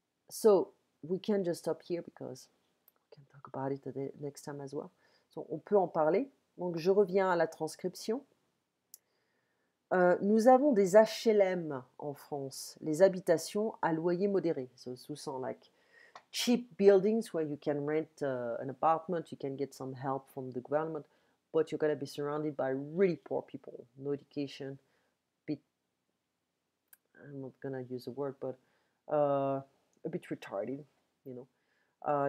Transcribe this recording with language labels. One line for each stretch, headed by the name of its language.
English: So we can just stop here because we can talk about it the next time as well.
French: So on peut en parler. Donc je reviens à la transcription. Nous avons des HLM en France, les habitations à loyer modéré.
English: So sous sont like cheap buildings where you can rent an apartment, you can get some help from the government, but you're gonna be surrounded by really poor people, no education. I'm not gonna use the word, but a bit retarded, you know.